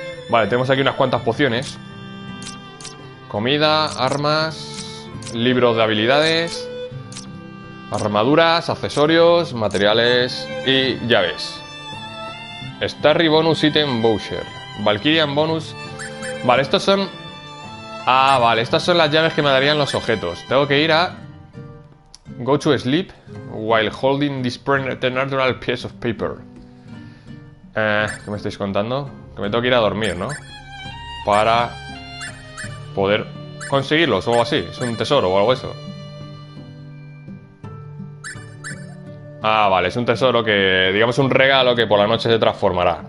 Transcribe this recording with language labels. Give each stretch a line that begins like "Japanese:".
Spanish: Vale, tenemos aquí unas cuantas pociones. Comida, armas, libros de habilidades, armaduras, accesorios, materiales y llaves. Starry Bonus Item Voucher. Valkyrian Bonus. Vale, estos son... Ah, vale, estas son las llaves que me darían los objetos. Tengo que ir a...
English: Go to sleep while holding this natural piece of paper.
Spanish: ¿Qué me estáis contando? Que me tengo que ir a dormir, ¿no? Para poder conseguirlos o algo así. Es un tesoro o algo eso. Ah, vale, es un tesoro que, digamos, un regalo que por la noche se transformará.